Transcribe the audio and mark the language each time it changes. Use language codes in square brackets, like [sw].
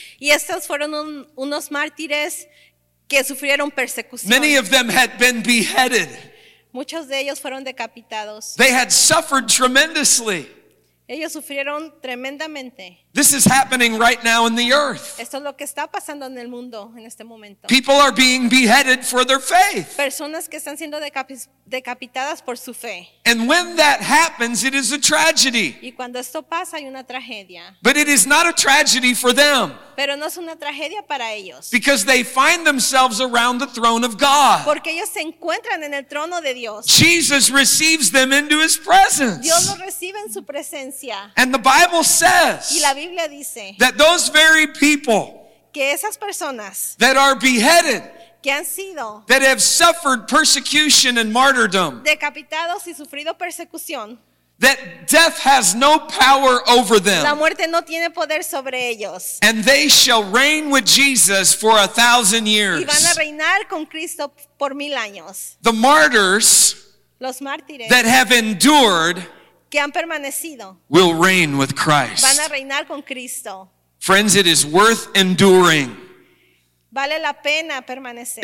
[es] Y estos fueron unos mártires. Que sufrieron persecución. [en] Many of them had been beheaded. [es] Muchos de ellos fueron decapitados. [en] They had suffered tremendously. [es] Ellos sufrieron tremendamente. [en] This is happening right now in the earth. [es] Esto es lo que está pasando en el mundo en este momento. [en] People are being beheaded for their faith. [es] Personas que están siendo decapitadas por su fe. [en] And when that happens, it is a tragedy. [es] Y cuando esto pasa, hay una tragedia. [en] But it is not a tragedy for them. [es] Pero no es una tragedia para ellos. [en] Because they find themselves around the throne of God. [es] Porque ellos se encuentran en el trono de Dios. [en] Jesus receives them into his presence. [es] Dios los recibe en su presencia. [en] And the Bible says, [es] y la Biblia dice, [en] that those very people, [es] que esas personas, [en] that are beheaded, [es] que han sido, [en] that have suffered persecution and martyrdom, [es] decapitados y sufrido persecución, [en] that death has no power over them. [es] La muerte no tiene poder sobre ellos. [en] And they shall reign with Jesus for 1,000 years. [es] Y van a reinar con Cristo por mil años. [en] The martyrs, [es] los mártires [en] that have endured [es] que han permanecido [en] will reign with Christ. [es] Van a reinar con Cristo. [en] Friends, it is worth enduring. [es] Vale la pena permanecer.